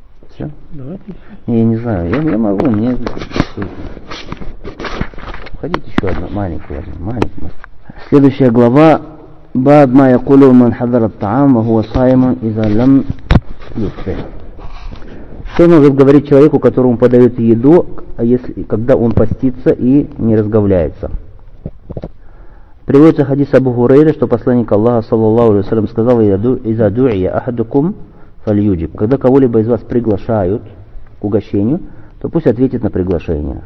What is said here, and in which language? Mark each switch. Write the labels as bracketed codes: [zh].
[ru] Все? Давайте. Я не знаю, я могу, мне... Уходите, еще одна, маленькая. Следующая глава. [ar] باب ما يقوله من حضر الطعام وهو صائم اذا لم يفطر. [ru] Что может говорить человеку, которому подают еду, если, когда он постится и не разговляется? Приводится хадис Абу Хурейры, что посланник Аллаха саллаллаху алейхи ва саллям сказал: [ar] "Иза дуия ахадукум фальюджиб". [ru] Когда кого-либо из вас приглашают к угощению, то пусть ответит на приглашение.